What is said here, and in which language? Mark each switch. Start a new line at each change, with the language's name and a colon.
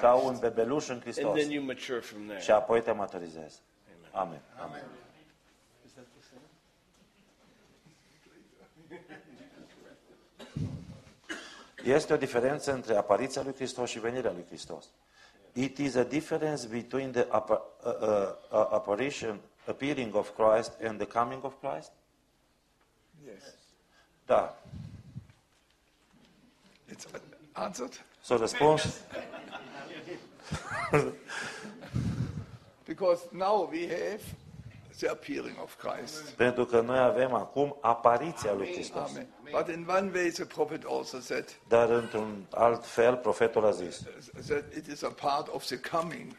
Romanian: Ca un bebeluș în Hristos.
English: And then you mature from there.
Romanian: Și apoi te maturizezi. Amen. Amen. Amen. Este o diferență între apariția lui Hristos și venirea lui Hristos.
English: It is a difference between the apparition, appearing of Christ and the coming of Christ? Yes.
Romanian: Da.
English: It's answered. So response. Because now we have the appearing of Christ.
Romanian: Pentru că noi avem acum apariția lui Hristos.
English: Amen. But in one way the prophet also said.
Romanian: Dar într-un alt fel profetul a zis.
English: That it is a part of the coming.